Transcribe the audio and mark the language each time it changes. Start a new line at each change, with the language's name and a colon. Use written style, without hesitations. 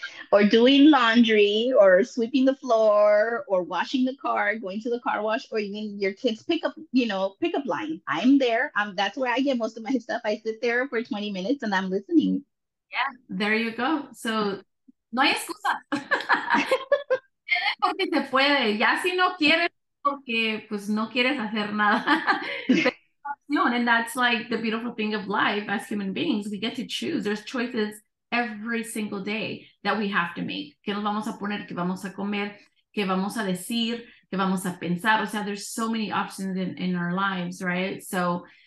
English: Or doing laundry, or sweeping the floor, or washing the car, going to the car wash, or even your kids pick up line. I'm there. That's where I get most of my stuff. I sit there for 20 minutes and I'm listening. Yeah, there you go. So
Spanish: no hay excusa. Porque se puede, ya si no quieres, porque pues no quieres hacer nada.
English: And that's like the beautiful thing of life as human beings. We get to choose. There's choices every single day that we have to make.
Spanish: ¿Qué nos vamos a poner? ¿Qué vamos a comer? ¿Qué vamos a decir? ¿Qué vamos a pensar? O sea,
English: there's so many options in our lives, right? So